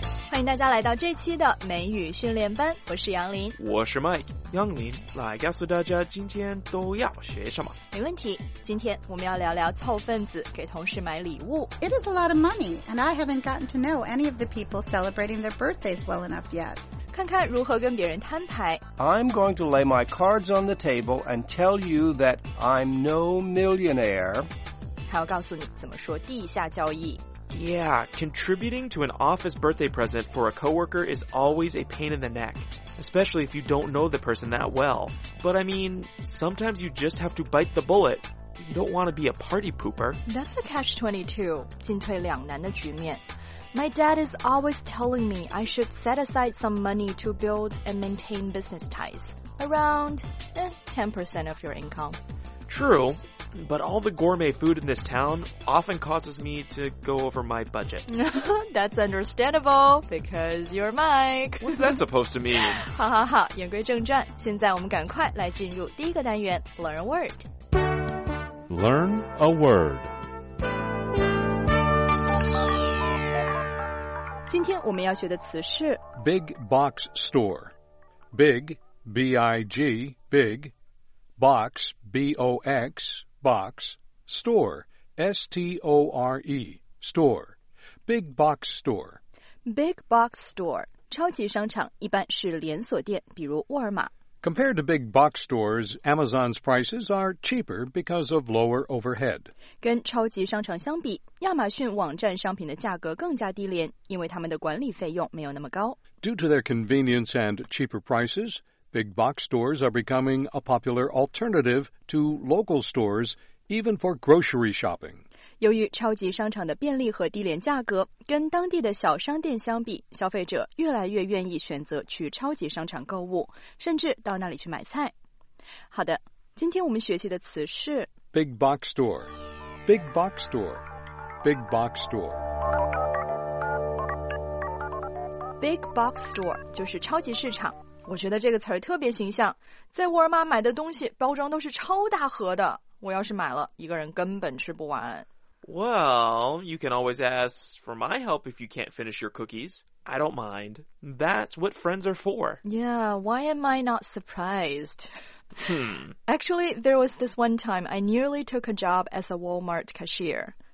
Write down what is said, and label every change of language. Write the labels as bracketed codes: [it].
[zh] 欢迎大家来到这期的美语训练班，我是杨林，我是 Mike。杨林，来告诉大家今天都要学什么。没问题，今天我们要聊聊凑份子给同事买礼物。 [en] It is a lot of money, and I haven't gotten to know any of the people celebrating their birthdays well enough yet. [zh] 看看如何跟别人摊牌。 [en] I'm going to lay my cards on the table and tell you that I'm no millionaire. [zh] 还要告诉你怎么说地下交易。 [en] Yeah, contributing to an office birthday present for a coworker is always a pain in the neck, especially if you don't know the person that well. But I mean, sometimes you just have to bite the bullet. You don't want to be a party pooper. That's a catch-22, [zh] 进退两难的局面。 [en] My dad is always telling me I should set aside some money to build and maintain business ties. Around 10% of your income. True, but all the gourmet food in this town often causes me to go over my budget. That's understandable, because you're Mike. What's that supposed to mean? [zh] 好好好，言归正传，现在我们赶快来进入第一个单元 [en] Learn a Word. Learn a Word. [zh] 今天我们要学的词是 [en] Big Box Store. Big, B-I-G, Big. Box, B-O-X, Box. Store, S-T-O-R-E, Store. Big Box Store. Big Box Store. [zh] 超级商场一般是连锁店，比如沃尔玛。 [en] Compared to big box stores, Amazon's prices are cheaper because of lower overhead. [zh] 跟超级商场相比，亚马逊网站商品的价格更加低廉，因为他们的管理费用没有那么高。 [en] Due to their convenience and cheaper prices, big box stores are becoming a popular alternative to local stores, even for grocery shopping. [zh] 由于超级商场的便利和低廉价格，跟当地的小商店相比，消费者越来越愿意选择去超级商场购物，甚至到那里去买菜。好的，今天我们学习的词是 [en] Big Box Store, Big Box Store, Big Box Store. [zh] Big Box Store 就是超级市场。我觉得这个词儿特别形象，在沃尔玛买的东西包装都是超大盒的，我要是买了，一个人根本吃不完。 [en] Well, you can always ask for my help if you can't finish your cookies. I don't mind. That's what friends are for. Yeah, why am I not surprised? Hmm. Actually, there was this one time I nearly took a job as a Walmart cashier.